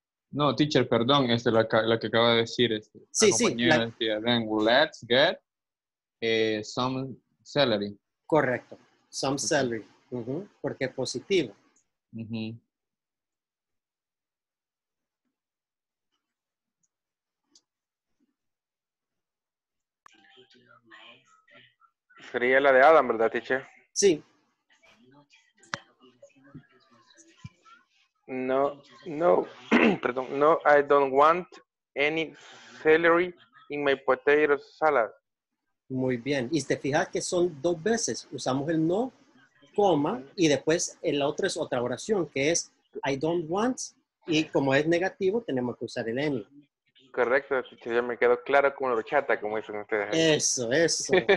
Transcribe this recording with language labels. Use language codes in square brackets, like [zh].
[es] No, teacher, perdón, es la que acaba de decir. Este, sí, sí. [en] Then let's get some celery. [es] Correcto. [en] Some celery, [es] uh-huh. Porque es positivo. Uh-huh. Sería la de Adam, ¿verdad, teacher? Sí. No, no, perdón, no, [en] I don't want any celery in my potato salad. [es] Muy bien. Y te fijas que son dos veces. Usamos el no, coma, y después la otra es otra oración, que es [en] I don't want, [es] y como es negativo, tenemos que usar el any. Correcto. Ya me quedó claro como lo chata, como dicen ustedes. Eso, eso.